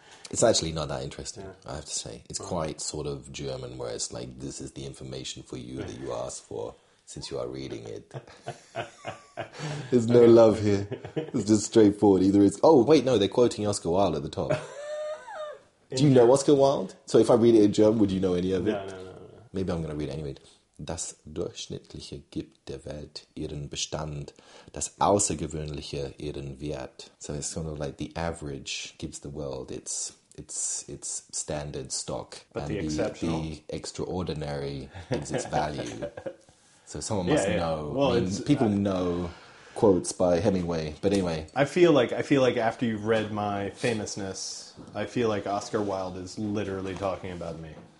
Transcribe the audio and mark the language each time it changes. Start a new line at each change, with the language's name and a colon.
English: It's actually not that interesting, I have to say. It's quite sort of German, where it's like, this is the information for you that you asked for since you are reading it. There's no love here. It's just straightforward. Either it's... Oh, wait, no, they're quoting Oscar Wilde at the top. Do you know Oscar Wilde? So if I read it in German, would you know any of it? No. Maybe I'm going to read it anyway.
German: Das Durchschnittliche gibt der Welt ihren Bestand, das Außergewöhnliche ihren Wert.
English: So it's sort of like the average gives the world its standard stock. But and the exceptional. The extraordinary gives its value. So someone must know. Well, I mean, people know quotes by Hemingway. But anyway. I feel like after you've read my famousness, I feel like Oscar Wilde is literally talking about me.